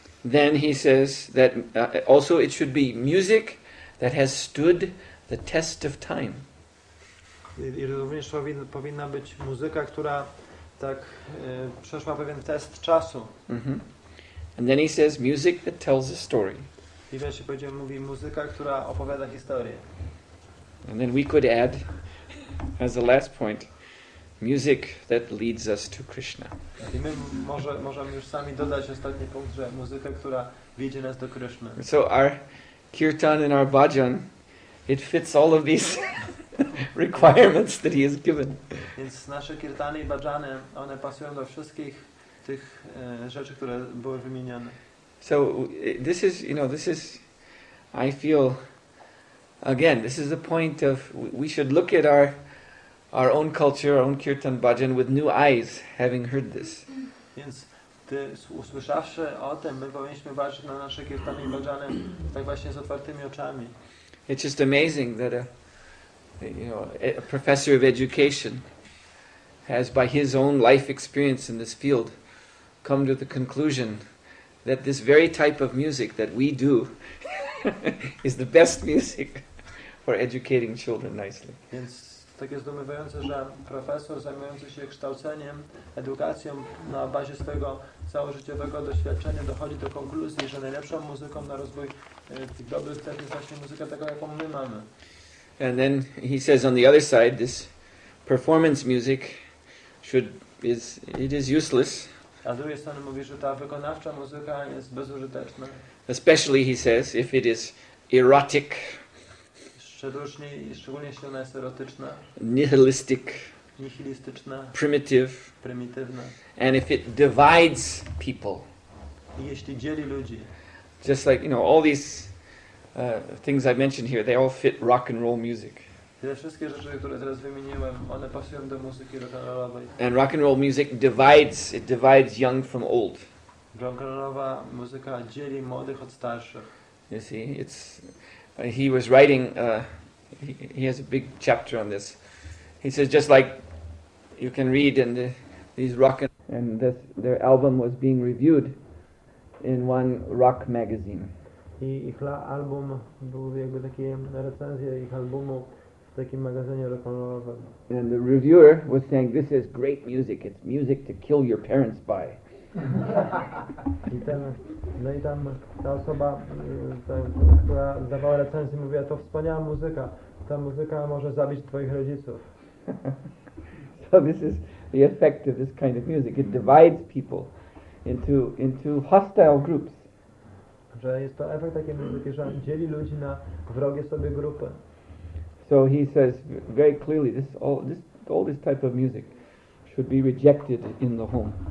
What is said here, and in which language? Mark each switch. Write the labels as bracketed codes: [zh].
[en] Then he says that also it should be music that has stood the test of time. [pl] I również powinna być muzyka, która tak przeszła pewien test czasu. [en] And then he says music that tells a story. [pl] I wreszcie powiedział, mówi muzyka, która opowiada historię. [en] And then we could add, as the last point, music that leads us to Krishna. [pl] I my możemy już sami dodać ostatni punkt, że muzyka, która wiedzie nas do Kryszny. [en] So our kirtan and our bhajan, it fits all of these requirements that he has given. [pl] Więc nasze kirtany i bhajany, one pasują do wszystkich tych rzeczy, które były wymienione. [en] So this is, you know, this is, I feel, again, this is the point of, we should look at our own culture, our own kirtan bhajan with new eyes, having heard this. [pl] Więc ty, usłyszawszy o tym, my powinniśmy patrzeć na nasze kirtany i bhajany tak właśnie z otwartymi oczami. [en] It's just amazing that a professor of education has, by his own life experience in this field, come to the conclusion that this very type of music that we do is the best music for educating children nicely. [pl] Więc tak jest zdumiewające, że profesor zajmujący się kształceniem, edukacją na bazie swojego całożyciowego doświadczenia dochodzi do konkluzji, że najlepszą muzyką na rozwój tych dobrych cech jest właśnie muzyka taka, jaką my mamy. [en] And then he says on the other side, this performance music is useless. [pl] A z drugiej strony mówi, że ta wykonawcza muzyka jest bezużyteczna. [en] Especially, he says, if it is erotic. [pl] Szczególnie jeśli ona jest erotyczna. [en] Nihilistic. [pl] nihilistyczne, [en] prymitywne. And if it divides people, [pl] jeśli dzieli ludzi, [en] just like, you know, all these things I mentioned here, they all fit rock and roll music. [pl] Te wszystkie rzeczy, które teraz wymieniłem, one pasują do muzyki rock and rollowej. [en] And rock and roll music divides, it divides young from old. [pl] Rock and rollowa muzyka dzieli młodych od starszych. [en] You see, it's he was writing he has a big chapter on this. He says just like you can read in the these rock and this, their album was being reviewed in one rock magazine. [pl] I ich album był jakby takie recenzje ich albumu w takim magazynie rock'n'rollowym. [en] And the reviewer was saying this is great music. It's music to kill your parents by. [pl] I ten, no i tam ta osoba, ta, która dawała recenzję, mówiła, to wspaniała muzyka. Ta muzyka może zabić twoich rodziców. [en] So this is the effect of this kind of music. It divides people into hostile groups. [pl] Że jest to efekt takiej muzyki, że dzieli ludzi na wrogie sobie grupy. [en] So he says very clearly, this type of music should be rejected in the home.